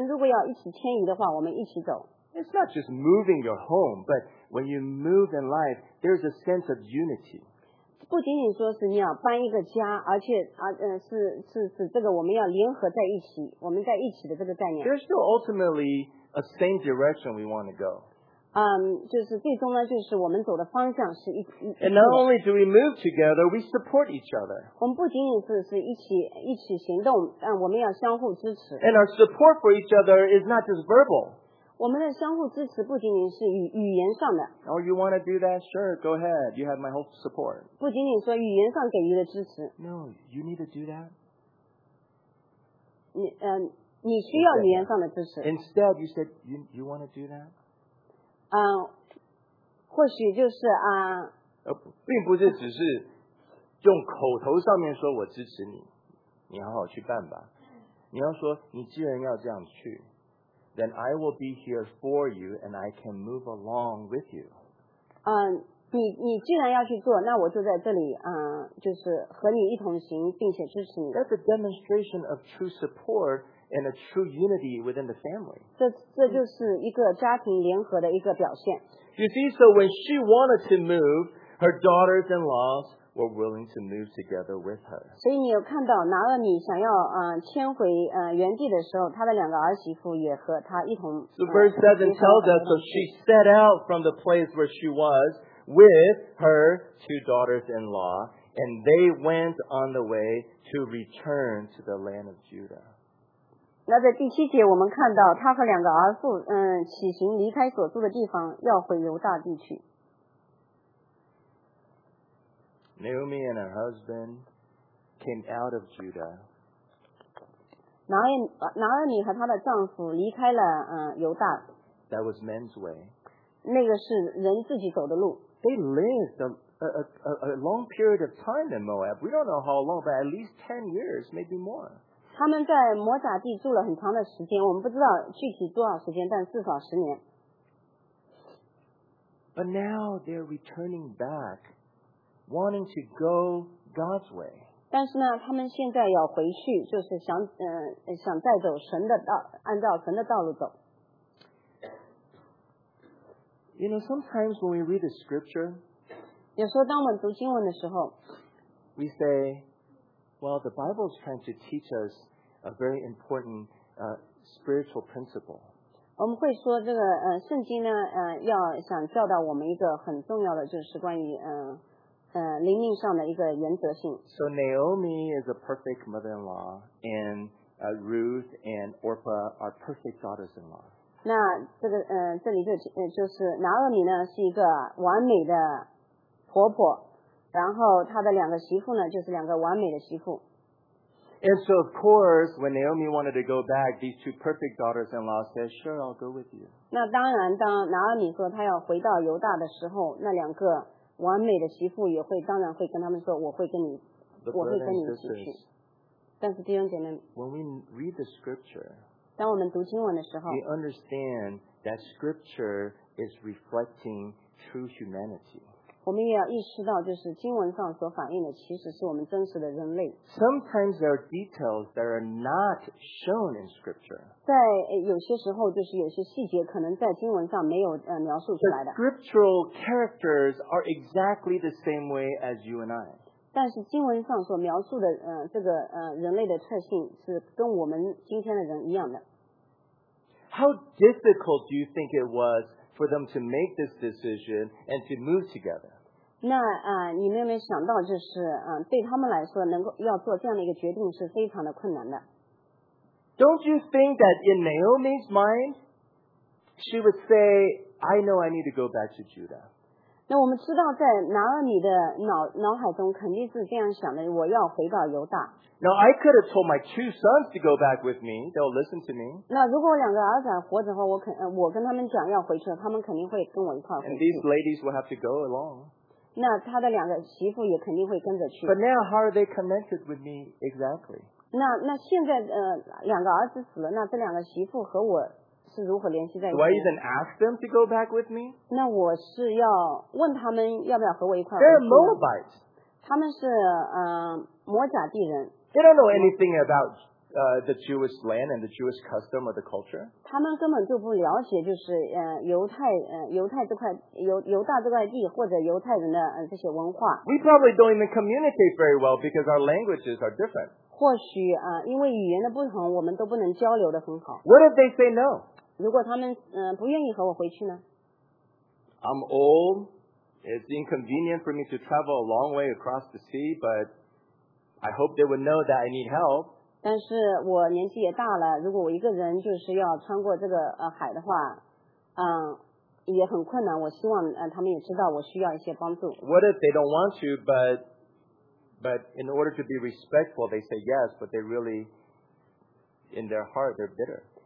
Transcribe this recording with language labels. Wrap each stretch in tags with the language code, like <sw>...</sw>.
<zh>当然就很清楚，也是很重要的，就是作为一个家庭来说，我们是要一起行动，我们如果要一起迁移的话，我们一起走。</zh> <en>It's not just moving your home, but when you move in life, there's a sense of unity.</en> <zh>不仅仅说是你要搬一个家，而且是这个我们要联合在一起，我们在一起的这个概念。</zh> <en>There's still ultimately a same direction we want to go.</en> <zh>就是最终呢，就是我们走的方向是一。</zh> <en>And not only do we move together, we support each other.</en> <zh>我们不仅仅是一起行动，但我们要相互支持。</zh> <en>And our support for each other is not just verbal.</en> <zh>我们的相互支持不仅仅是语言上的。</zh> <en>Oh, you want to do that? Sure, go ahead. You have my whole support.</en> <zh>不仅仅说语言上给予的支持。</zh> <en>No, you need to do that.</en> <zh>你需要语言上的支持。</zh> <en>Instead, you said you want to do that?</en> <zh>或许就是啊，并不是只是用口头上面说我支持你，你好好去办吧。你要说你既然要这样去</zh> <en>，then I will be here for you and I can move along with you。</en> <zh>你既然要去做，那我就在这里啊，就是和你一同行，并且支持你。</zh> <en>That's a demonstration of true support and a true unity within the family.</en> <zh>这就是一个家庭联合的一个表现。</zh> <en>You see, so when she wanted to move, her daughters-in-laws were willing to move together with her.</en> <zh>所以你有看到拿俄米想要迁回原地的时候，她的两个儿媳妇也和她一同。</zh> <en>So verse 7 tells us, so she set out from the place where she was with her two daughters-in-law, and they went on the way to return to the land of Judah.</en> <zh>那在第七节我们看到她和两个儿妇起行离开所住的地方，要回犹大地去。</zh> <en>Naomi and her husband came out of Judah.</en> <zh>拿俄米和她的丈夫离开了犹大。</zh> <en>That was men's way.</en> <zh>那个是人自己走的路。</zh> <en>They lived a long period of time in Moab. We don't know how long, but at least 10 years, maybe more.</en> <zh>他们在摩押地住了很长的时间，我们不知道具体多少时间，但至少十年。</zh> <en>But now they're returning back, wanting to go God's way.</en> <zh>但是呢，他们现在要回去，就是想再走神的道，按照神的道路走。</zh> <en>You know, sometimes when we read the scripture,</en> <zh>有时候当我们读经文的时候</zh> <en>we say, well, the Bible is trying to teach us a very important spiritual principle.</en> <zh>我们会说这个圣经呢要想教导我们一个很重要的就是关于灵命上的一个原则性。</zh> <en>So Naomi is a perfect mother-in-law, and Ruth and Orpah are perfect daughters-in-law.</en> <zh>那这个这里就是拿俄米呢是一个完美的婆婆，然后她的两个媳妇呢就是两个完美的媳妇。</zh> <en>And so of course, when Naomi wanted to go back, these two perfect daughters-in-law said, "Sure, I'll go with you."</en> <zh>那当然，当拿俄米说她要回到犹大的时候，那两个完美的媳妇也会当然会跟他们说，我会跟你，我会跟你一起去。但是弟兄姐妹</zh> <en>，When we read the scripture.</en> <zh>当我们读经文的时候</zh> <en>we understand that scripture is reflecting true humanity.</en> <zh>我们也要意识到就是经文上所反映的其实是我们真实的人类。</zh> <en>Sometimes there are details that are not shown in scripture.</en> <zh>在有些时候就是有些细节可能在经文上没有描述出来的。</zh> <en>Scriptural characters are exactly the same way as you and I.</en> <zh>但是经文上所描述的这个人类的特性是跟我们今天的人一样的。</zh> <en>How difficult do you think it was for them to make this decision and to move together?</en> <zh>那你们有没有想到就是对他们来说能够要做这样的一个决定是非常的困难的。</zh> <en>Don't you think that in Naomi's mind, she would say, I know I need to go back to Judah.</en> <zh>那我们知道在拿俄米的 脑海中肯定是这样想的，我要回到犹大。</zh> <en>Now I could have told my two sons to go back with me, they'll listen to me.</en> <zh>那如果两个儿子还活着的话，我跟他们讲要回去，他们肯定会跟我一块回去。</zh> <en>And these ladies will have to go along.</en> <zh>那他的两个媳妇也肯定会跟着去。</zh> <en>But now how are they connected with me exactly?</en> <zh>那现在两个儿子死了，那这两个媳妇和我是如何联系在一起？</zh> <en>Do I even ask them to go back with me?</en> <zh>那我是要问他们要不要和我一块儿。</zh> <en>They're Moabites.</en> <zh>他们是摩押地人。</zh> <en>They don't know anything about the Jewish land and the Jewish custom or the culture.</en> <zh>他们根本就不了解就是犹太这块犹大这块地或者犹太人的这些文化。</zh> <en>We probably don't even communicate very well because our languages are different.</en> <zh>或许因为语言的不同，我们都不能交流得很好。</zh> <en>What if they say no?</en> <zh>如果他们不愿意和我回去呢？</zh> <en>I'm old. It's inconvenient for me to travel a long way across the sea, but I hope they would know that I need help.</en> <zh>但是我年纪也大了，如果我一个人就是要穿过这个海的话，也很困难。我希望他们也知道我需要一些帮助。</zh> <en>What if they don't want to, but in order to be respectful, they say yes, but they really, in their heart, they're bitter.</en>